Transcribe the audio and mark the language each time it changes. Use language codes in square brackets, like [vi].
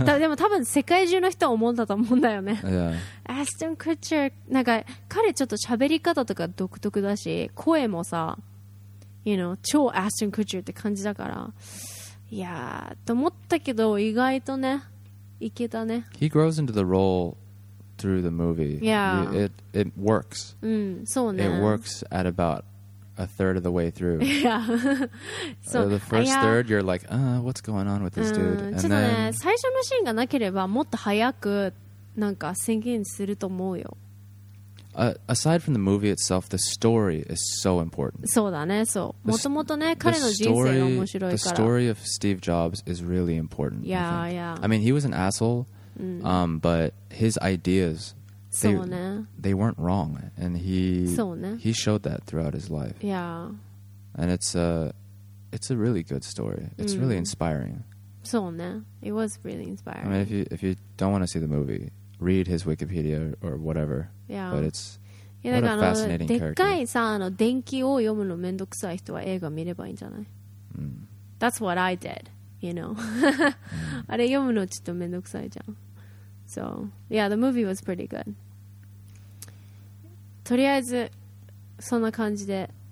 [ja] でも多分世界中の人は思ったと思うんだよね。 [en] Yeah. [ja] アストン・クッチャーなんか彼ちょっと喋り方とか独特だし声もさ you know 超アストン・クッチャーって感じだからいやーと思ったけど意外とねいけたね [en] He grows into the role through the movie Yeah It works [ja] うんそうね [en] It works at about a third of the way through Yeah so, the first third you're like what's going on with this dude [ja] ちょっとね最初のシーンがなければもっと早くなんかシンキングすると思うよ。 [en] Aside from the movie itself, the story is so important. [ja] そうだね、そう。もともとね、彼の人生が面白いから。 [en] The story of Steve Jobs is really important. Yeah, I yeah. I mean, he was an asshole,、 mm. But his ideas, they,、 [ja] ね、 [en] they weren't wrong, and he、ね、 he showed that throughout his life. Yeah. And it's a really good story. It's、mm. really inspiring. [ja] そうね [en] It was really inspiring I mean if you don't want to see the movie Read his Wikipedia or whatever Yeah But it's What a fascinating character [ja] でっかいさあの電気を読むのめんどくさい人は映画見ればいいんじゃない、 mm. [en] That's what I did You know 、 mm. [ja] あれ読むのちょっとめんどくさいじゃん [en] So Yeah the movie was pretty good [ja] とりあえずそんな感じで、